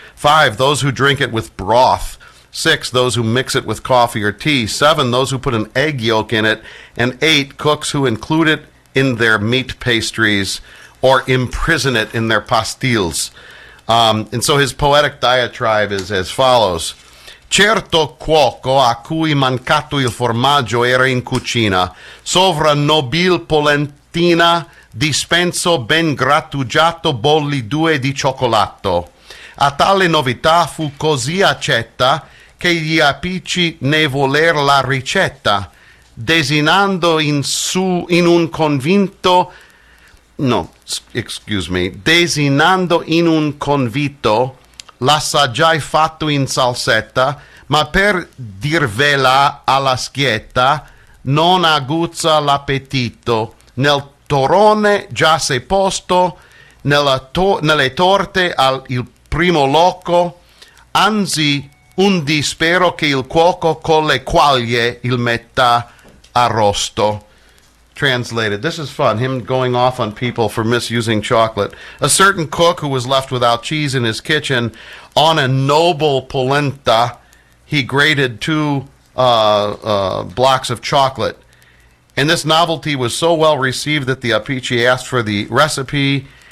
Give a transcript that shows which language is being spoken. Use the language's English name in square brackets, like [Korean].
[English] Five, those who drink it with broth. Six, those who mix it with coffee or tea. Seven, those who put an egg yolk in it. And eight, cooks who include it in their meat pastries or imprison it in their pastilles. And so his poetic diatribe is as follows. [Italian] Certo cuoco a cui mancato il formaggio era in cucina, sovra nobil polentina dispenso ben grattugiato bolli due di cioccolato. A tale novità fu così accetta che gli apici ne voler la ricetta, desinando in su in un convinto, no, excuse me, desinando in un convito, l'assaggiai fatto in salsetta, ma per dirvela alla schietta, non aguzza l'appetito, nel torrone già sei posto, nelle torte al il primo loco, anzi undi spero che il cuoco con le quaglie il metta arrosto. [English] Translated, this is fun, him going off on people for misusing chocolate. A certain cook who was left without cheese in his kitchen, on a noble polenta, he grated two blocks of chocolate. And this novelty was so well received that the apici asked for the recipe.